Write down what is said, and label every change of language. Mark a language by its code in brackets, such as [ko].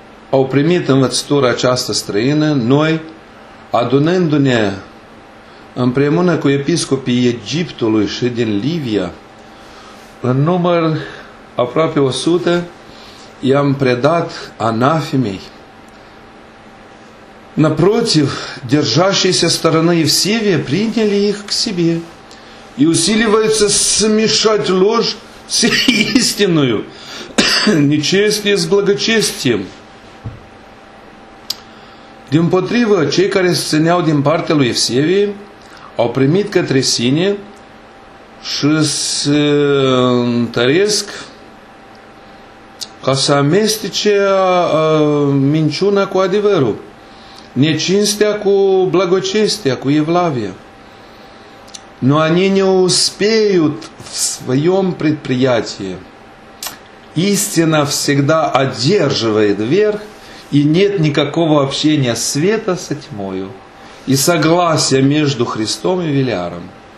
[ro] au primit învățătura aceasta străină, noi, adunându-ne împreună cu episcopii Egiptului și din Livia, în număr aproape 100, i-am predat anafimei. [ru] Напротив, держащиеся стороны Евсевия приняли их к себе и усиливаются смешать ложь с истинную, нечестие с благочестием. [ro] Dimpotrivă, cei care se țineau din partea lui Evsevie au primit către sine și se întăresc ca să amestece minciuna cu adevărul, necinstea cu blagocestea, cu evlavia. [ru] Но они не успеют в своем предприятии. Истина всегда одерживает верх, и нет никакого общения света со тьмою и согласия между Христом и Велиаром.